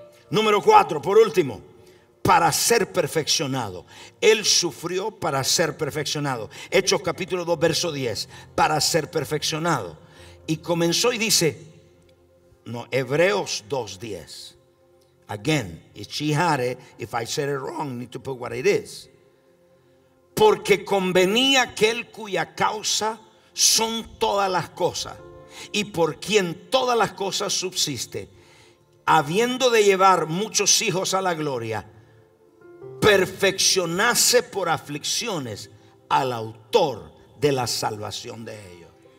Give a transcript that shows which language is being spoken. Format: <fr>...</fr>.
<es>Número 4, por último, para ser perfeccionado. Él sufrió para ser perfeccionado. Hechos capítulo 2, verso 10. Para ser perfeccionado. Y comenzó y dice, no, Hebreos 2, 10.</es> <en>Again, if she had it, if I said it wrong, need to put what it is.</en> <es>Porque convenía aquel cuya causa son todas las cosas y por quien todas las cosas subsisten, habiendo de llevar muchos hijos a la gloria, perfeccionase por aflicciones al autor de la salvación de ellos.</es>